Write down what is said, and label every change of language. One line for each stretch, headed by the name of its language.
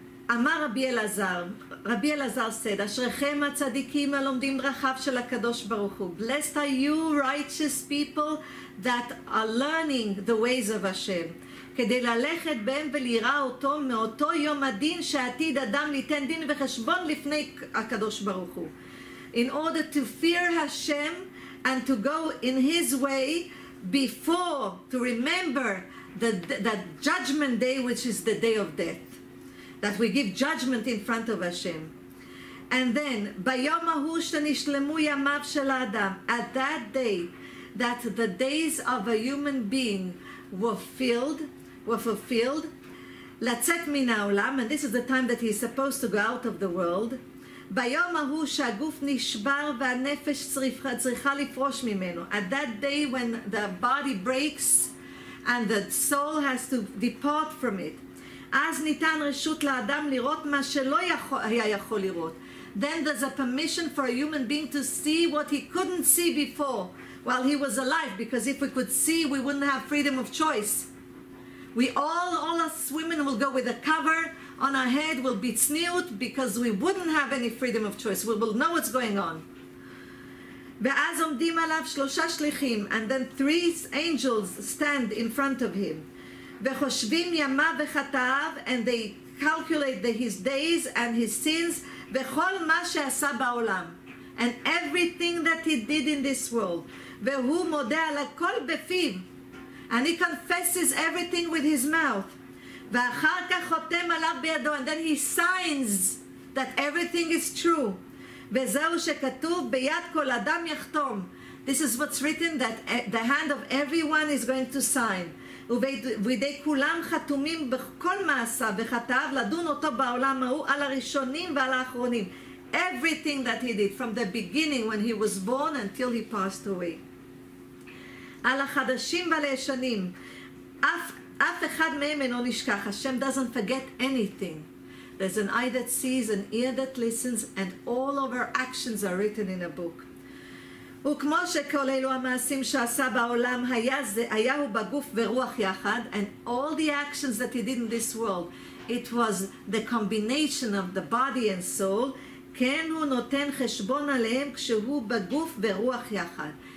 Hebrew: אמר רבי אלעזר, רבי אלעזר
English: said,
Hebrew: אשריכם הצדיקים הלומדים דרכיו של הקדוש ברוך הוא.
English: Blessed are you righteous people that are learning the ways of Hashem,
Hebrew: כדי ללכת בהם ולראה אותו מאותו יום הדין שעתיד אדם ליתן דין וחשבון לפני הקדוש ברוך הוא.
English: In order to fear Hashem and to go in His way before, to remember the judgment day, which is the day of death, that we give judgment in front of Hashem. And then,
Hebrew: ביום ההוא שנשלמו ימיו של האדם,
English: at that day, that the days of a human being were fulfilled,
Hebrew: לצאת מן העולם,
English: and this is the time that he is supposed to go out of the world,
Hebrew: ביום ההוא שהגוף נשבר והנפש צריכה לפרוש ממנו.
English: At that day when the body breaks and the soul has to depart from it,
Hebrew: אז ניתן רשות לאדם לראות מה שלא היה יכול לראות.
English: Then there's a permission for a human being to see what he couldn't see before while he was alive, because if we could see, we wouldn't have freedom of choice. We all us women will go with a cover on our head, will be tzniut, because we wouldn't have any freedom of choice. We will know what's going on.
Hebrew: ואז עומדים עליו שלושה שליחים,
English: and then three angels stand in front of him.
Hebrew: וחושבים ימיו וחטאיו,
English: and they calculate his days and his sins,
Hebrew: וכל מה שעשה בעולם,
English: and everything that he did in this world.
Hebrew: והוא מודה על הכל בפיו,
English: and he confesses everything with his mouth.
Hebrew: ואחר כך חותם עליו בידו,
English: and then he signs that everything is true.
Hebrew: וזהו שכתוב ביד כל אדם יחתום.
English: This is what's written, that the hand of everyone is going to sign.
Hebrew: ובידי כולם חתומים בכל מעשה וחטאיו לדון אותו בעולם ההוא על הראשונים ועל האחרונים.
English: Everything that he did from the beginning when he was born until he passed away.
Hebrew: על החדשים ועל הישנים. אף אחד מהם אינו נשכח.
English: Hashem doesn't forget anything. There's an eye that sees, an ear that listens, and all of her actions are written in a book.
Hebrew: וכמו שכל אלו המעשים שעשה בעולם היה הוא בגוף ורוח יחד,
English: and all the actions that he did in this world, it was the combination of the body and soul,
Hebrew: כן הוא נותן חשבון עליהם כשהוא בגוף ורוח יחד.